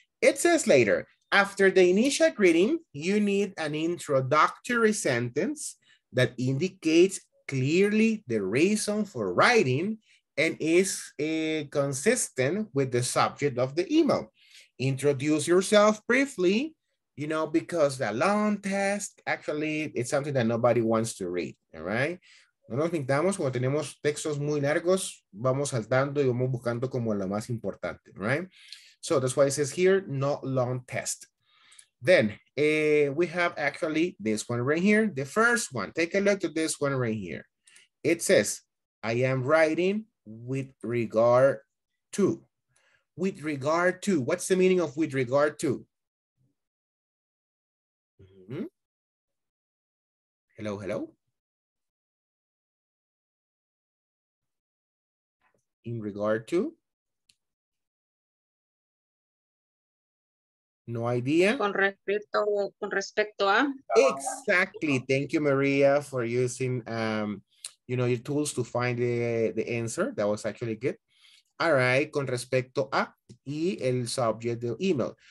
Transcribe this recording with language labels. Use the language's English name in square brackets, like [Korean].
[English] It says later, after the initial greeting, you need an introductory sentence that indicates clearly the reason for writing and is consistent with the subject of the email. Introduce yourself briefly, you know, because the long text, actually, it's something that nobody wants to read, all right? [Spanish] No nos mintamos, cuando tenemos textos muy largos, vamos saltando y vamos buscando como lo más importante, right? [English] So that's why it says here, no long test. Then we have actually this one right here, the first one. Take a look at this one right here. It says, I am writing with regard to. With regard to, what's the meaning of with regard to? Mm-hmm. Hello, hello. In regard to? No idea. [Spanish] Con respecto a. [English] Exactly. Thank you, Maria, for using you know, your tools to find the answer. That was actually good. All right. [Spanish] Con respecto a y el subject del email.